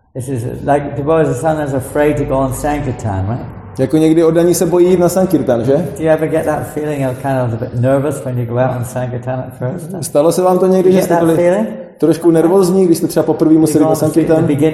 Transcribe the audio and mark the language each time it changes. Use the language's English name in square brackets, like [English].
[English] This is like the boy's son is afraid to go on Sankirtan, right? [Czech] Jako někdy oddaní se bojí jít na Sankirtan, že? [English] Do you ever get that feeling of kind of a bit nervous when you go out on Sankirtan at first? [Czech] Stalo se vám to někdy, že jste byli trošku nervózní, když jste třeba poprvé museli na Sankirtan?